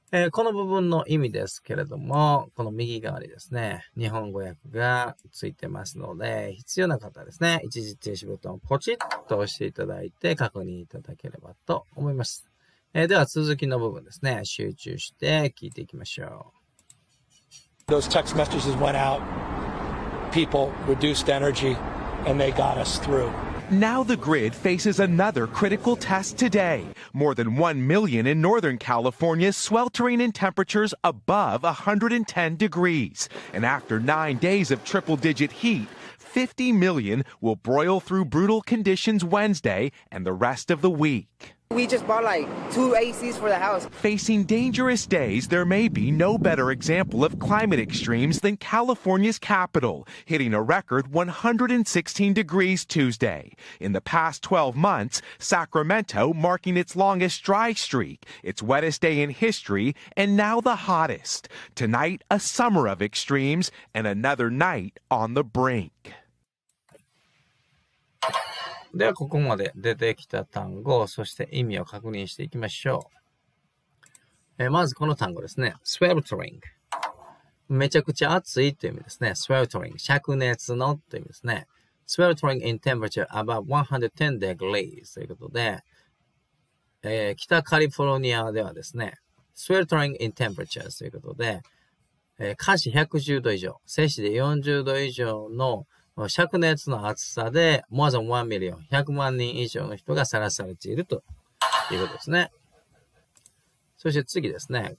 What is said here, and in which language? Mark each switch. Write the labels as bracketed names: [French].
[Japanese] この部分の意味ですけれども、この右側にですね、日本語訳がついてますので、必要な方はですね、一時停止ボタンをポチッと押していただいて確認いただければと思います。では続きの部分ですね、集中して聞いていきましょう。 [English] Those text messages went out. People reduced energy and they got us through. Now the grid faces another critical test today. More than 1 million in Northern California sweltering in temperatures above 110 degrees. And after 9 days of triple-digit heat, 50 million will broil through brutal conditions Wednesday and the rest of the week. We just bought like 2 ACs for the house. Facing dangerous days, there may be no better example of climate extremes than California's capital, hitting a record 116 degrees Tuesday. In the past 12 months, Sacramento marking its longest dry streak, its wettest day in history, and now the hottest. Tonight, a summer of extremes and another night on the brink. [Japanese] ではここまで出てきた単語、そして意味を確認していきましょう。まずこの単語ですね。sweltering。めちゃくちゃ暑いという意味ですね。 [English] sweltering。 [Japanese] 灼熱のという意味ですね。 [English] sweltering in temperature above 110 degrees [Japanese] ということで、北カリフォルニアではですね、 [English] sweltering in temperature [Japanese] ということで、華氏110度以上、摂氏で40度以上の灼熱の暑さで、 [English] more than 1 million、 [Japanese] 100万人以上の人がさらされているということですね。そして次ですね。